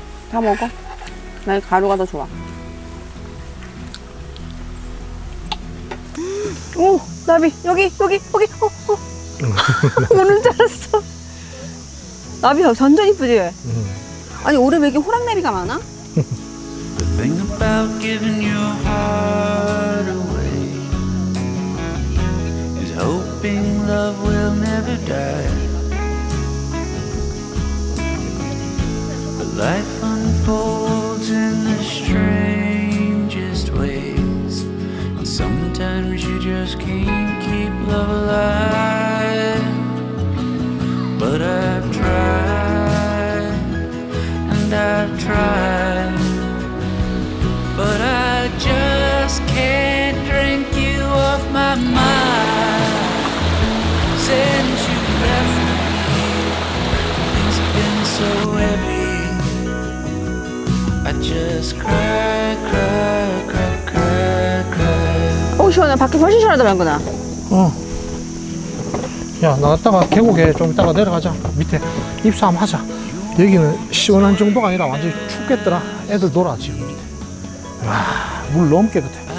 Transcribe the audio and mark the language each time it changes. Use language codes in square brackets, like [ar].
[ko] 다 먹어. 난 가루가 더 좋아. 오, 나비 여기 여기 여기. 오는 줄 알았어. 나비 완전 이쁘지. 아니 올해 왜 이렇게 호랑내비가 많아? [en] The thing about giving your heart away is hoping love will never die. But life unfolds in the strangest ways, and sometimes you just can't keep love alive. But I've tried, and I've tried. But I just can't drink you off my mind. Since you left me, things have been so heavy. I just cry, cry, cry, cry, cry. [ko] 오, 시원해. 밖에 훨씬 시원하더라구나. 야, 나갔다가 계곡에 좀 이따가 내려가자. 밑에 입수하자. 여기는 시원한 정도가 아니라 완전히 춥겠더라. 애들 놀아 지금 밑에. 와, 물 너무 깨끗해.